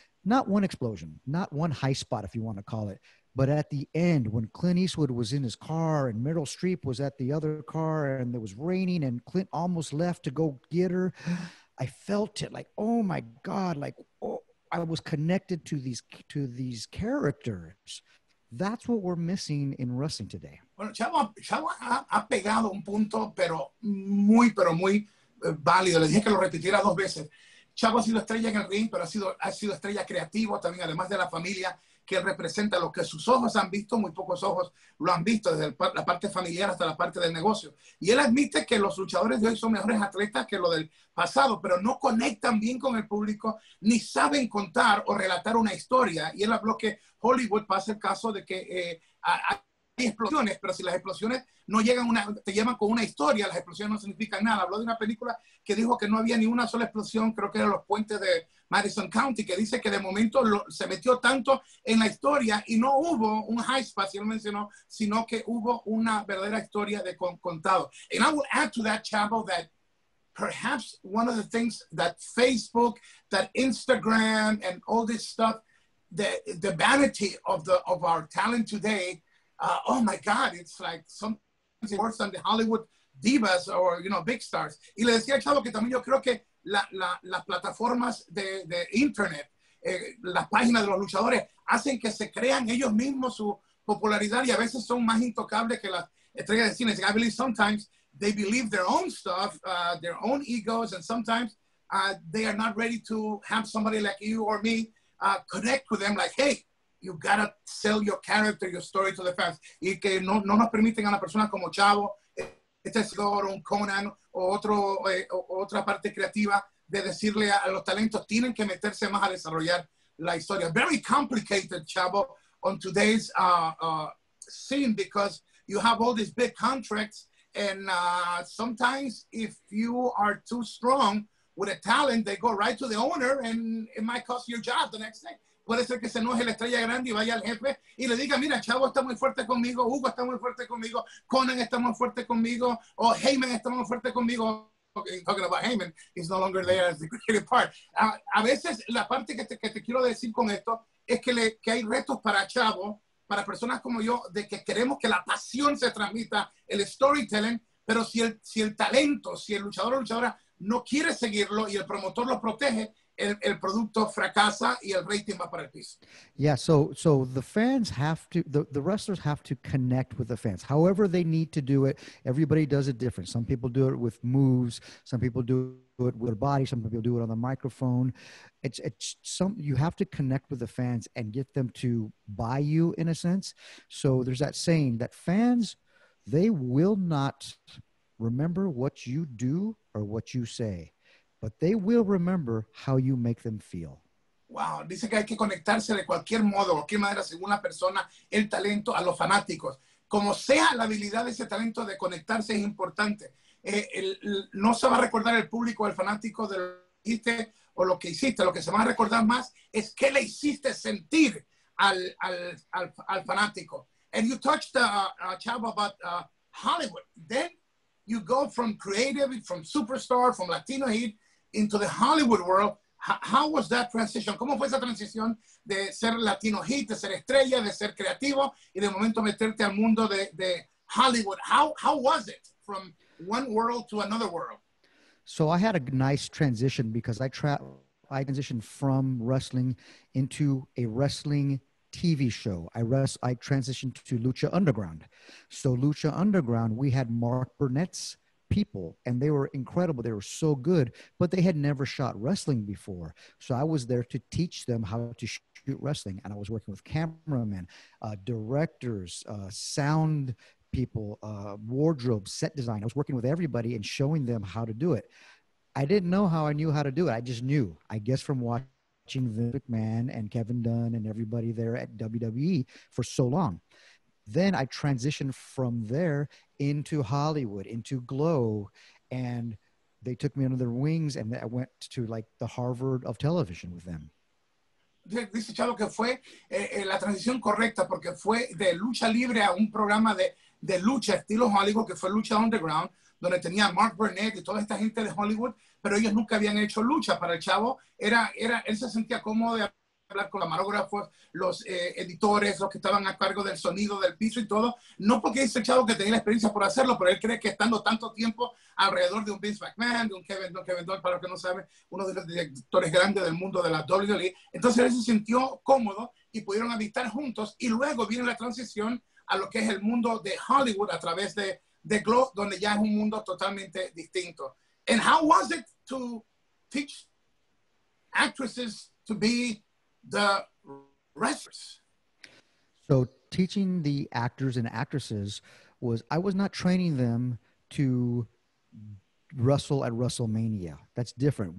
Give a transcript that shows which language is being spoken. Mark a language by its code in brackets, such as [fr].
[en] Not one explosion, not one high spot, if you want to call it. But at the end, when Clint Eastwood was in his car and Meryl Streep was at the other car and it was raining and Clint almost left to go get her, I felt it like, oh my God, like, oh, I was connected to these characters. That's what we're missing in wrestling today. [es] Bueno, Chavo ha pegado un punto, pero muy válido. Le dije que lo repitiera dos veces. Chavo ha sido estrella en el ring, pero ha sido estrella creativa también, además de la familia que él representa, lo que sus ojos han visto, muy pocos ojos lo han visto, desde la parte familiar hasta la parte del negocio. Y él admite que los luchadores de hoy son mejores atletas que los del pasado, pero no conectan bien con el público, ni saben contar o relatar una historia. Y él habló que Hollywood pasa el caso de que hay explosiones, pero si las explosiones no llegan, te llevan con una historia, las explosiones no significan nada. Habló de una película que dijo que no había ni una sola explosión, creo que eran los puentes de Madison County, que dice que de momento se metió tanto en la historia y no hubo un high spot, si él mencionó, sino que hubo una verdadera historia de contado. [en] And I will add to that, Chavo, that perhaps one of the things that Facebook, that Instagram, and all this stuff, the vanity of our talent today, oh my God, it's like something worse than the Hollywood divas or, you know, big stars. [es] Y le decía a Chavo que también yo creo que las plataformas de internet, las páginas de los luchadores, hacen que se crean ellos mismos su popularidad y a veces son más intocables que las estrellas de cine. [en] I believe sometimes they believe their own stuff, their own egos, and sometimes they are not ready to have somebody like you or me connect with them like, hey, you gotta sell your character, your story to the fans. [es] Y que no nos permiten a las personas como Chavo, Tesoro, un Conan o otro, otra parte creativa de decirle a los talentos tienen que meterse más a desarrollar la historia. [en] Very complicated, Chavo, on today's scene, because you have all these big contracts, and sometimes if you are too strong with a talent, they go right to the owner, and it might cost your job the next day. [es] Puede ser que se enoje la estrella grande y vaya al jefe y le diga, mira, Chavo está muy fuerte conmigo, Hugo está muy fuerte conmigo, Conan está muy fuerte conmigo, o Heyman está muy fuerte conmigo. [en] Okay, talking about Heyman, he's no longer there as the creative part. [es] A veces la parte que te quiero decir con esto es que hay retos para Chavo, para personas como yo, de que queremos que la pasión se transmita, el storytelling, pero si el talento, si el luchador o luchadora no quiere seguirlo y el promotor lo protege, el producto fracasa y el rating va para el piso. [en] Yeah, so the fans have to, the wrestlers have to connect with the fans. However they need to do it, everybody does it different. Some people do it with moves, some people do it with their body, some people do it on the microphone. It's you have to connect with the fans and get them to buy you, in a sense. So there's that saying that fans, they will not remember what you do or what you say, but they will remember how you make them feel. [es] Wow, dice que hay que conectarse de cualquier modo, cualquier manera, según la persona, el talento a los fanáticos. Como sea, la habilidad de ese talento de conectarse es importante. No se va a recordar el público, el fanático de lo que hiciste o lo que hiciste. Lo que se va a recordar más es qué le hiciste sentir al fanático. [en] And you touched Chavo about Hollywood. Then you go from creative, from superstar, from Latino heat into the Hollywood world. How was that transition? [es] ¿Cómo fue esa transición de ser Latino heat, de ser estrella, de ser creativo y de momento meterte al mundo de Hollywood? [en] How was it from one world to another world? So I had a nice transition because I transitioned from wrestling into a wrestling TV show. I transitioned to Lucha Underground. So Lucha Underground, we had Mark Burnett's people and they were incredible. They were so good, but they had never shot wrestling before. So I was there to teach them how to shoot wrestling. And I was working with cameramen, directors, sound people, wardrobe, set design. I was working with everybody and showing them how to do it. I didn't know how I knew how to do it. I just knew, I guess, from watching Vince McMahon and Kevin Dunn and everybody there at WWE for so long. Then I transitioned from there into Hollywood, into GLOW, and they took me under their wings, and I went to like the Harvard of television with them. [es] Dice Chavo que fue la transición correcta porque fue de lucha libre a un programa de lucha estilo Hollywood, que fue Lucha Underground, donde tenía Mark Burnett y toda esta gente de Hollywood, pero ellos nunca habían hecho lucha. Para el Chavo, él se sentía cómodo de hablar con los camarógrafos, los editores, los que estaban a cargo del sonido, del piso y todo. No porque dice el Chavo que tenía la experiencia por hacerlo, pero él cree que estando tanto tiempo alrededor de un Vince McMahon, de un Kevin Dunn, para los que no saben, uno de los directores grandes del mundo de la WWE. Entonces él se sintió cómodo y pudieron habitar juntos. Y luego viene la transición a lo que es el mundo de Hollywood a través de GLOW, donde ya es un mundo totalmente distinto. [en] And how was it to teach actresses to be the wrestlers? So teaching the actors and actresses was, I was not training them to wrestle at WrestleMania. That's different.